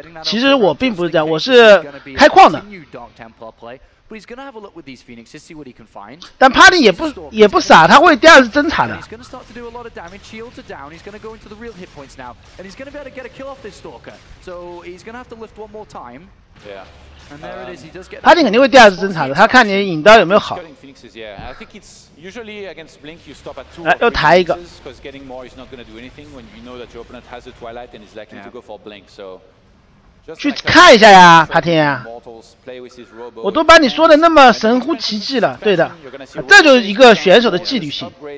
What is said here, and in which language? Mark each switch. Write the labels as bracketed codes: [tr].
[zh] 其实我并不是这样，我是开矿的。 [en] But he's going to have a look with these phoenixes, see what he can find. [zh] 但 Party 也不傻，他会第二次侦查的。 [en] He's going to start to do a lot of damage, shield to down. He's going to go into the real hit points now, and he's going to be able to get a kill off this stalker. So he's going to have to lift one more time. Yeah. And there it is. He does get. [zh] Party 肯定会第二次侦查的，他看你的引刀有没有好。 [en] Yeah, I think it's usually against Blink you stop at two. [zh] 来，又抬一个。 [en] Because getting more is not going to do anything when you know that your opponent has a twilight and is likely to go for Blink. So. [zh] 去看一下呀，帕天啊！我都把你说的那么神乎其技了，对的，这就是一个选手的纪律性。